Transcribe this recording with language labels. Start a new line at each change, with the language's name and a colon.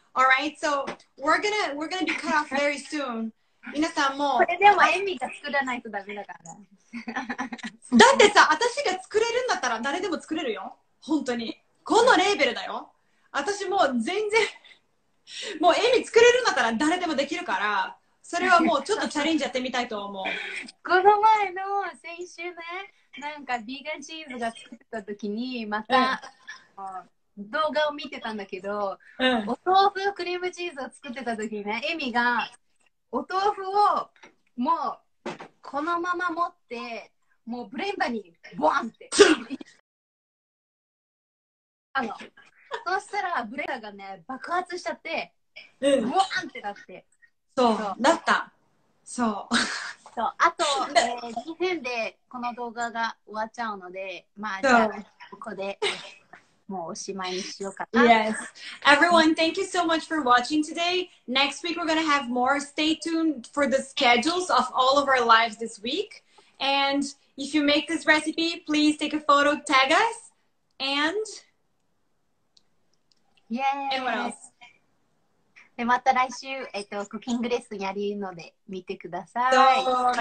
English: Alright, so we're gonna be cut off very soon.
Japanese: 皆さんも。これでもエミが作らないとダメだから。だってさ、私が作れるんだったら誰でも作れるよ。本当に。このレーベルだよ。私もう全然。もうエミ作れるんだったら誰でもできるから、それはもうちょっとチャレンジやってみたいと思う。この前の先週ね、なんかビーガンチーズが作った時にまた、うん、動画を見てたんだけど、うん、お豆腐クリームチーズを作ってた時にね、エミがお豆腐をもうこのまま持ってもうブレンダーにボワンってそしたらブレーダーがね爆発しちゃって、うん、ブワーンってなって、そうだった、そう、そう、あと、2分でこの動画が終わっちゃうので、まあじゃあここでもうおしまいにしようかな。
English: Yes everyone, thank you so much for watching today. Next week we're gonna have more. Stay tuned for the schedules of all of our lives this week. And if you make this recipe, please take a photo, tag us, and Yay.
Japanese: でまた来週、クッキングレッスンやるので見てください。